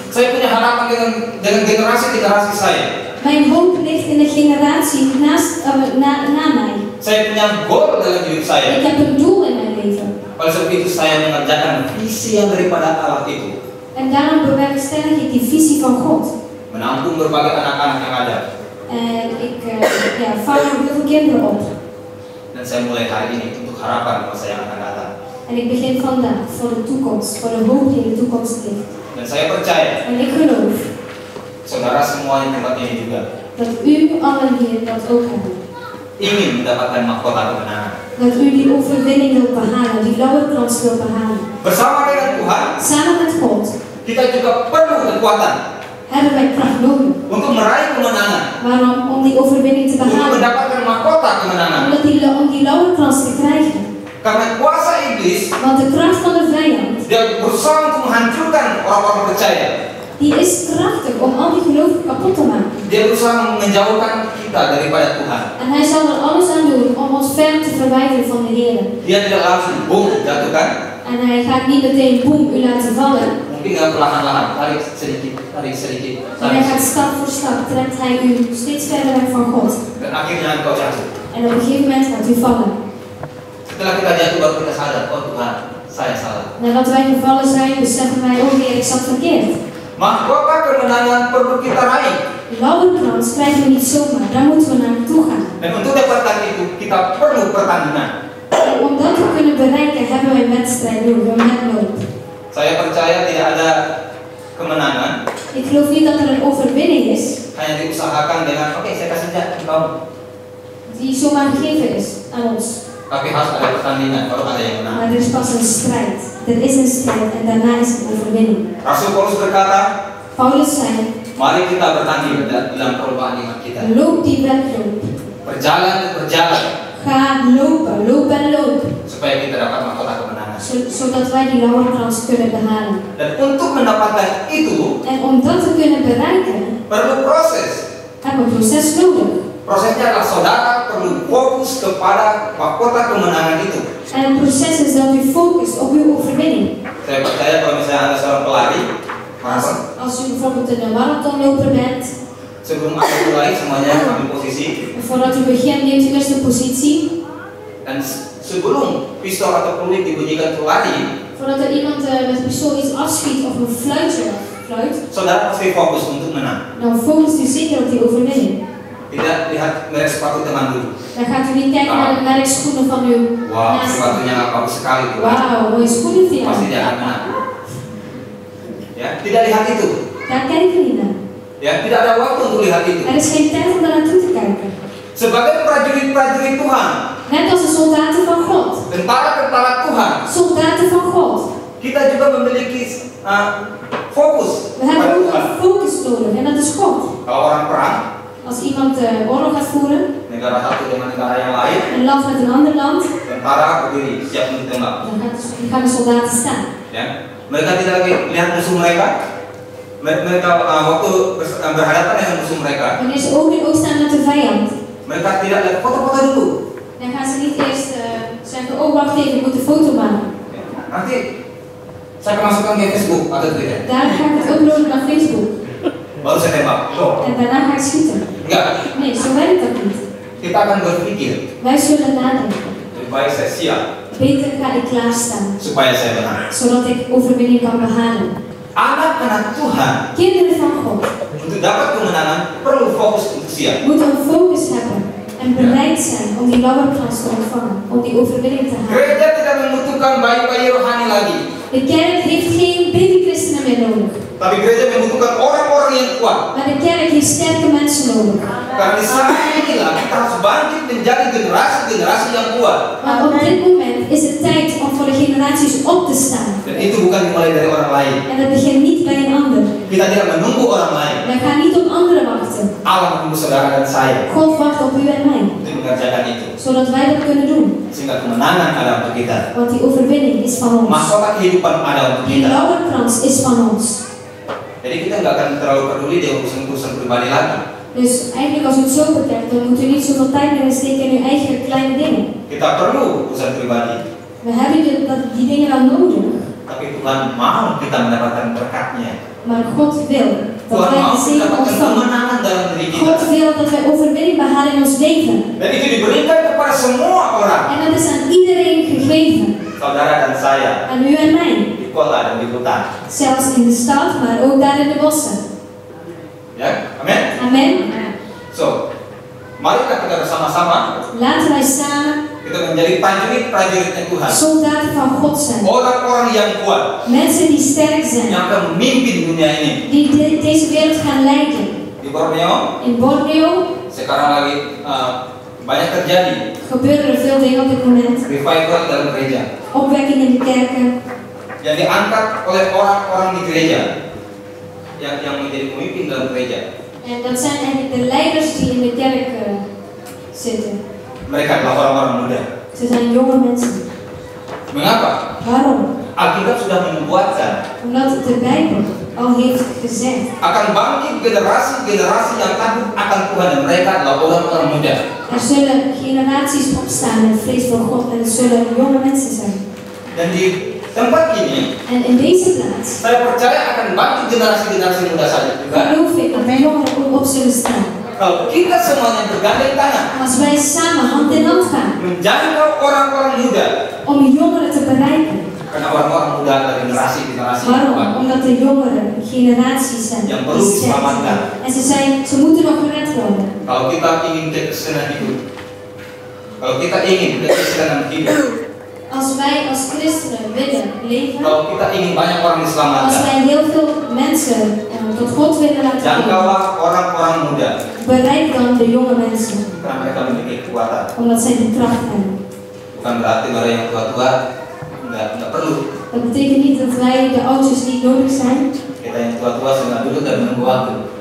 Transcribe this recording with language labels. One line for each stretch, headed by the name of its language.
Indonesian: Saya punya harapan dengan generasi saya.
Dutch: Mijn hoop ligt in de generatie na mij.
Indonesian: Saya punya goal dalam hidup saya.
Dutch: Ik heb een doel in mijn leven.
Indonesian: Oleh sebab itu saya mengerjakan visi yang daripada Allah itu.
Dutch: En daarom bewerkstellig ik die visie van God.
Indonesian: Menampung berbagai anak-anak yang ada.
Dutch: En ik vang heel veel kinderen op.
Indonesian: Dan saya mulai hari ini untuk harapan masa yang akan datang.
Dutch: En ik begin vandaag voor de toekomst, voor de hoop die in de toekomst ligt.
Indonesian: Dan saya percaya.
Dutch: En ik geloof.
Indonesian: Saudara semua yang tempat ini juga.
Dutch: Dat u allen hier dat ook hebben.
Indonesian: Ingin mendapatkan mahkota kemenangan.
Dutch: Dat u die overwinning wil behalen, die lauwerkrans wil behalen.
Indonesian: Bersama dengan Tuhan.
Dutch: Samen met God.
Indonesian: Kita juga perlu kekuatan.
Dutch: Hebben wij kracht nodig.
Indonesian: Untuk meraih kemenangan.
Dutch: Waarom? Om die overwinning te behalen.
Indonesian: Untuk mendapatkan mahkota kemenangan.
Dutch: Om die lauwerkrans te krijgen.
Indonesian: Karena kuasa iblis.
Dutch: Want de kracht van de vijand.
Indonesian: Dia berusaha untuk menghancurkan orang-orang percaya.
Dutch: Die is krachtig om al die geloven kapot te maken.
Indonesian: Dia berusaha menjauhkan kita daripada Tuhan.
Dutch: En hij zal er alles aan doen om ons ver te verwijderen van de Heer.
Indonesian: Dia tidak langsung boom jatuhkan.
Dutch: En hij gaat niet meteen boom u laten vallen.
Indonesian: Mungkin dengan perlahan-lahan, tarik sedikit.
Dutch: En hij gaat stap voor stap trekt hij u steeds verder weg van God.
Indonesian: Dan akhirnya engkau jatuh.
Dutch: En op een gegeven moment gaat u vallen.
Indonesian: Setelah kita jatuh baru kita sadar, oh Tuhan, saya salah.
Dutch: Nadat wij gevallen zijn, beseffen wij, oh Heer, ik zat verkeerd.
Indonesian: Mahkota kemenangan perlu kita raih.
Dutch: Lauwerkrans krijgen we niet zomaar, daar moeten we naar toe gaan.
Indonesian: Dan untuk dapatkan itu, kita perlu pertandingan.
Dutch: Om dat te kunnen bereiken, hebben we een wedstrijd nodig, een wedloop.
Indonesian: Saya percaya tidak ada kemenangan.
Dutch: Ik geloof niet dat er een overwinning is.
Indonesian: Hanya diusahakan dengan, oke, saya kasih dia, kamu.
Dutch: Die zomaar gegeven is aan ons.
Indonesian: Tapi harus ada pertandingan, baru ada yang menang.
Dutch: Maar er is pas een strijd. Er is een strijd en daarna is het overwinning.
Indonesian: Rasul Paulus berkata.
Dutch: Paulus zei.
Indonesian: Mari kita bertanding dalam perlombaan iman kita.
Dutch: Loop die wedloop.
Indonesian: Berjalan.
Dutch: Ga lopen, loop.
Indonesian: Supaya kita dapat mahkota kemenangan.
Dutch: Zodat wij die lauwerkrans kunnen behalen.
Indonesian: Dan untuk mendapatkan itu.
Dutch: En om dat te kunnen bereiken.
Indonesian: Perlu proses.
Dutch: Hebben proses nodig.
Indonesian: Prosesnya adalah saudara perlu fokus kepada mahkota kemenangan itu.
Dutch: En proses is dat u focus op uw overwinning.
Indonesian: Saya percaya kalau misalnya anda seorang pelari,
Dutch: als u bijvoorbeeld een marathonloper bent,
Indonesian: sebelum anda mulai semuanya ambil posisi.
Dutch: Voordat u begint neemt u eerst de positie.
Indonesian: Dan sebelum pistol atau peluit dibunyikan untuk lari.
Dutch: Voordat er iemand met pistool iets afschiet of een fluit.
Indonesian: Saudara pasti fokus untuk menang.
Dutch: Dan fokus u zeker op die overwinning.
Indonesian: Tidak lihat merek sepatu teman dulu.
Dutch: Dan gaat u niet kijken naar merek schoenen van uw naast.
Indonesian: Wow, sepatunya gak bagus sekali.
Dutch: Wow, mooie schoenen sih.
Indonesian: Pasti jangan menang. Ya, tidak lihat itu.
Dutch: Dan kijk je niet naar.
Indonesian: Ya, tidak ada waktu untuk lihat itu.
Dutch: Er is geen tijd om daar naartoe te kijken.
Indonesian: Sebagai prajurit-prajurit Tuhan.
Dutch: Net als de soldaten van God.
Indonesian: Tentara-tentara Tuhan.
Dutch: Soldaten van God.
Indonesian: Kita juga memiliki fokus.
Dutch: We hebben ook een focus nodig en dat is God.
Indonesian: Kalau orang perang.
Dutch: Als iemand oorlog gaat voeren,
Indonesian: negara satu dengan negara yang lain,
Dutch: een land met een ander land,
Indonesian: tentara berdiri siap menembak.
Dutch: Dan gaan de soldaten staan.
Indonesian: Ya, mereka tidak lagi melihat musuh mereka. Mereka waktu berhadapan dengan musuh mereka.
Dutch: Wanneer ze oog in oog staan met de vijand.
Indonesian: Mereka tidak lihat foto-foto dulu.
Dutch: Dan gaan ze niet eerst zeggen, oh wacht even, ik moet de foto maken.
Indonesian: Nanti saya kemasukan ke Facebook atau tidak.
Dutch: Daar ga ik het uploaden naar Facebook.
Indonesian: Baru saya tembak.
Dutch: Oh. En daarna ga ik schieten.
Indonesian: Enggak.
Dutch: Nee, zo werkt dat niet.
Indonesian: Kita akan berpikir.
Dutch: Wij zullen nadenken.
Indonesian: Lebih baik saya siap.
Dutch: Beter ga ik klaarstaan.
Indonesian: Supaya saya menang.
Dutch: Zodat ik overwinning kan behalen.
Indonesian: Anak-anak Tuhan.
Dutch: Kinderen van God.
Indonesian: Untuk dapat kemenangan perlu fokus untuk siap.
Dutch: Moet een focus hebben. En bereid zijn om die lauwerkrans te ontvangen. Om die overwinning te halen.
Indonesian: Gereja tidak membutuhkan bayi-bayi rohani lagi.
Dutch: De kerk heeft geen baby-christenen meer nodig.
Indonesian: Tapi gereja membutuhkan orang-orang yang kuat.
Dutch: Maar de kerk heeft sterke mensen nodig.
Indonesian: Karena di saat inilah kita harus bangkit menjadi generasi-generasi yang kuat.
Dutch: Maar op dit moment is het tijd om voor de generaties op te staan.
Indonesian: Dan itu bukan dimulai dari orang lain.
Dutch: En dat begint niet bij een ander.
Indonesian: Kita tidak menunggu orang lain.
Dutch: Wij gaan niet op anderen wachten.
Indonesian: Allah menunggu saudara dan saya.
Dutch: God wacht op u en mij.
Indonesian: Untuk mengerjakan itu.
Dutch: Zodat wij dat kunnen doen.
Indonesian: Sehingga kemenangan ada untuk kita.
Dutch: Want die overwinning is van ons.
Indonesian: Mahkota kehidupan ada untuk kita.
Dutch: Die lauwerkrans is van ons.
Indonesian: Jadi kita nggak akan terlalu peduli dengan urusan-urusan pribadi lagi.
Dutch: Dus eigenlijk als u het zo bekijkt, dan moet u niet zoveel tijd meer steken in uw eigen kleine dingen.
Indonesian: Kita perlu urusan pribadi.
Dutch: We hebben die dingen wel nodig.
Indonesian: Tapi Tuhan mau kita mendapatkan berkatnya.
Dutch: Maar God wil dat wij de zegen ontvangen. God wil dat wij overwinning behalen in ons leven.
Indonesian: Dan itu diberikan kepada semua orang.
Dutch: En dat is aan iedereen gegeven.
Indonesian: Saudara dan saya.
Dutch: Aan u en mij.
Indonesian: Di kota dan di hutan.
Dutch: Zelfs in de stad, maar ook daar in de bossen.
Indonesian: Ya, amen.
Dutch: Amen.
Indonesian: So, marilah kita bersama-sama.
Dutch: Laten wij samen.
Indonesian: Kita menjadi prajurit-prajuritnya Tuhan.
Dutch: Soldaat van God zijn.
Indonesian: Orang-orang yang kuat.
Dutch: Mensen die sterk zijn.
Indonesian: Yang akan memimpin dunia ini.
Dutch: Die deze wereld gaan leiden.
Indonesian: Di Borneo.
Dutch: In Borneo.
Indonesian: Sekarang lagi banyak terjadi.
Dutch: Gebeuren er veel dingen op dit moment.
Indonesian: Revival dalam gereja.
Dutch: Opwekking in de kerken.
Indonesian: Yang diangkat oleh orang-orang di gereja. Yang menjadi pemimpin dalam gereja.
Dutch: En dat zijn eigenlijk de leiders die in de kerk zitten.
Indonesian: Mereka adalah orang-orang muda.
Dutch: Ze zijn jonge mensen.
Indonesian: Mengapa?
Dutch: Waarom?
Indonesian: Alkitab sudah menubuatkan.
Dutch: Omdat de Bijbel al heeft gezegd.
Indonesian: Akan bangkit generasi-generasi yang takut akan Tuhan dan mereka adalah orang-orang muda.
Dutch: Er zullen generaties opstaan met vrees voor God en zullen jonge mensen zijn.
Indonesian: Dan die tempat ini.
Dutch: En in deze plaats.
Indonesian: Saya percaya akan bangkit generasi-generasi muda saja.
Dutch: Geloof ik dat mijn jongeren op zullen staan.
Indonesian: Kalau kita semuanya bergandeng tangan.
Dutch: Als wij samen hand in hand gaan.
Indonesian: Menjangkau orang-orang muda.
Dutch: Om jongeren te bereiken.
Indonesian: Karena orang-orang muda adalah generasi-generasi.
Dutch: Waarom? Omdat de jongeren generaties zijn.
Indonesian: Yang perlu diselamatkan.
Dutch: En ze moeten nog gered worden.
Indonesian: Kalau kita ingin kekristenan hidup. Kalau kita ingin kekristenan hidup.
Dutch: Als wij als christenen willen leven.
Indonesian: Kalau kita ingin banyak orang diselamatkan.
Dutch: Als wij heel veel mensen tot God willen laten komen.
Indonesian: Jangkaulah orang-orang muda.
Dutch: Bereik dan de jonge mensen.
Indonesian: Karena mereka memiliki kekuatan.
Dutch: Omdat zij de kracht hebben.
Indonesian: Bukan berarti orang yang tua-tua enggak perlu.
Dutch: Dat betekent niet dat wij de oudjes niet nodig zijn.
Indonesian: Kita yang tua-tua sudah dulu dan menunggu waktu.